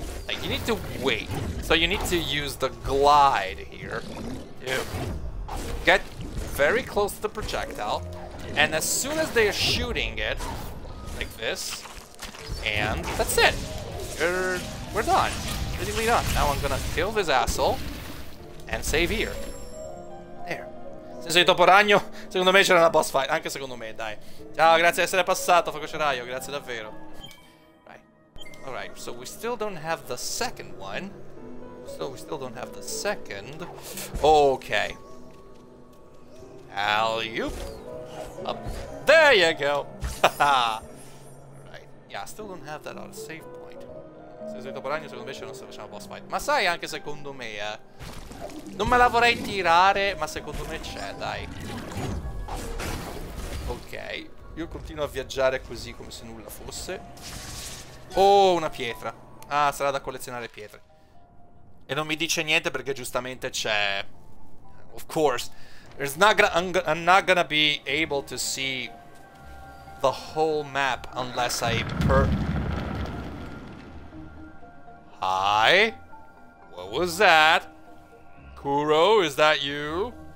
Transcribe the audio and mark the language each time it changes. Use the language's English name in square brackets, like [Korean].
[English] Like, you need to wait. So you need to use the glide here to get very close to the projectile, and as soon as they're shooting it, like this, and that's it. We're done. Literally done. Now I'm gonna kill this asshole and save here. There. [Italian] Se sei topo ragno, secondo me c'era una boss fight. Anche secondo me, dai. Ciao, grazie di essere passato, Fococeraio. Grazie davvero. Right. [English] Alright, so we still don't have the second one. So we still don't have the second. Okay. Alley-oop. Up. There you go. Right. Yeah, I still don't have that on a save point. [Italian] Se sei troppo ragno, secondo me ce non se facciamo boss fight. Ma sai, anche secondo me, non me la vorrei tirare, ma secondo me c'è, dai. Ok. Io continuo a viaggiare così come se nulla fosse. Oh, una pietra. Ah, sarà da collezionare pietre. E non mi dice niente perché giustamente c'è. [English] Of course. There's not gonna, I'm not gonna be able to see the whole map unless I per. Hi. What was that? Kuro, is that you?